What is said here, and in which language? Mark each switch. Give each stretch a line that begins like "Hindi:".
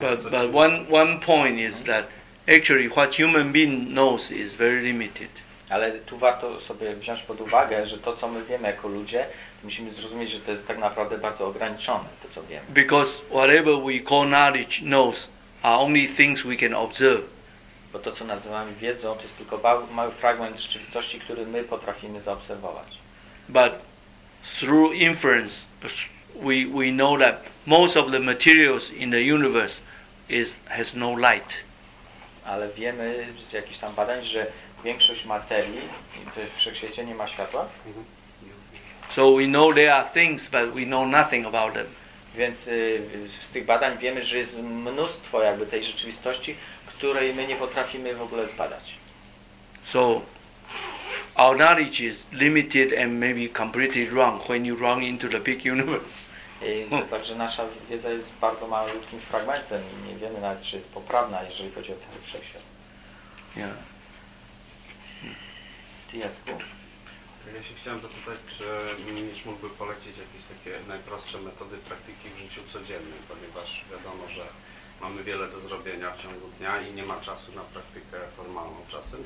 English: But one point is that actually what human being knows is very limited.
Polish: Ale tu warto sobie wziąć pod uwagę, że to co my wiemy jako ludzie, musimy zrozumieć, że to jest tak naprawdę bardzo ograniczone, to co wiemy.
English: Because whatever we call knowledge knows are only things we can observe.
Polish: Bo to co nazywamy wiedzą, to jest tylko mały fragment rzeczywistości, który my potrafimy zaobserwować.
English: But through inference we know that most of the materials in the universe has no light.
Polish: Ale wiemy z jakichś tam badań, że większość materii w wszechświecie nie ma światła.
English: So we know there are things, but we know nothing about them.
Polish: Więc z tych badań wiemy, że jest mnóstwo jakby tej rzeczywistości, której my nie potrafimy w ogóle zbadać.
English: So our knowledge is limited and maybe completely wrong when you run into the big universe.
Polish: Także nasza wiedza jest bardzo malutkim fragmentem i nie wiemy nawet, czy jest poprawna, jeżeli chodzi o cały wszechświat. Ty, Jacku. Ja się chciałem zapytać, czy Mistrz mógłby polecić jakieś takie najprostsze metody praktyki w życiu codziennym, ponieważ wiadomo, że mamy wiele do zrobienia w ciągu dnia i nie ma czasu na praktykę formalną czasem.